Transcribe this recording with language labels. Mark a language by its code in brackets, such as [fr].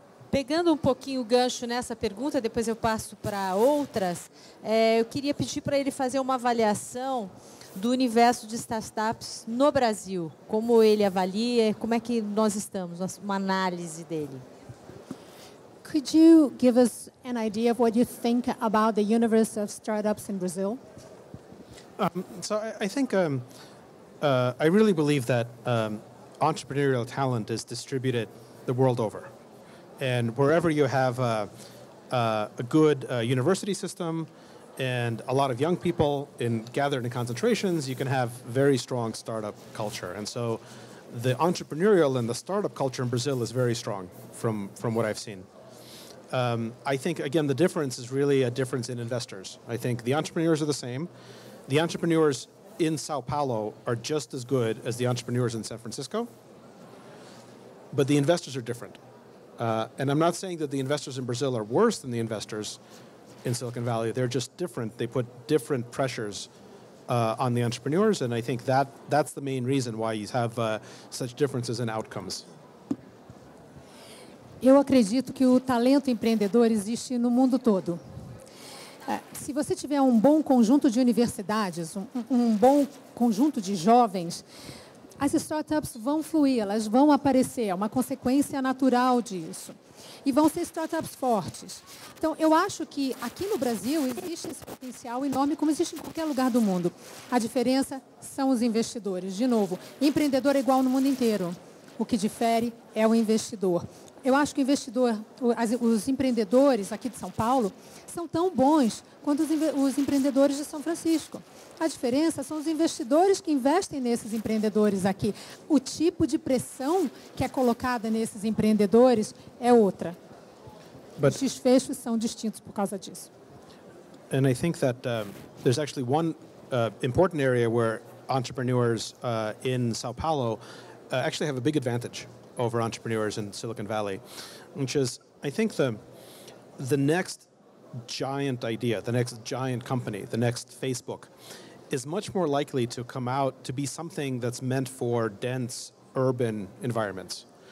[pt] Pegando um pouquinho o gancho nessa pergunta, depois eu passo para outras, eu queria pedir para ele fazer uma avaliação do universo de startups no Brasil. Como ele avalia, como é que nós estamos, uma análise dele. [en] Could you give us an idea of what you think about the universe of startups in Brazil? I really believe that entrepreneurial talent is distributed the world over. And wherever you have a good university system and a lot of young people in gathered in concentrations, you can have very strong startup culture. And so the entrepreneurial and the startup culture in Brazil is very strong from what I've seen. I think, again, the difference is really a difference in investors. I think the entrepreneurs are the same. The entrepreneurs in Sao Paulo are just as good as the entrepreneurs in San Francisco. But the investors are different. And I'm not saying that the investors in Brazil are worse than the investors in Silicon Valley. They're just different. They put different pressures on the entrepreneurs. And I think that's the main reason why you have such differences in outcomes. [pt] Eu acredito que o talento empreendedor existe no mundo todo. Se você tiver um bom conjunto de universidades, um bom conjunto de jovens, as startups vão fluir, elas vão aparecer, é uma consequência natural disso. E vão ser startups fortes. Então, eu acho que aqui no Brasil existe esse potencial enorme, como existe em qualquer lugar do mundo. A diferença são os investidores. De novo, empreendedor é igual no mundo inteiro. O que difere é o investidor. Eu acho que o investidor, os empreendedores aqui de São Paulo, são tão bons quanto os empreendedores de São Francisco. A diferença são os investidores que investem nesses empreendedores aqui. O tipo de pressão que é colocada nesses empreendedores é outra. Os desfechos são distintos por causa disso. [en] And I think that there's actually one important area where entrepreneurs in São Paulo actually have a big advantage over entrepreneurs in Silicon Valley, which is, I think the next giant idea, the next giant company, the next Facebook, is much more likely to come out to be something that's meant for dense urban environments.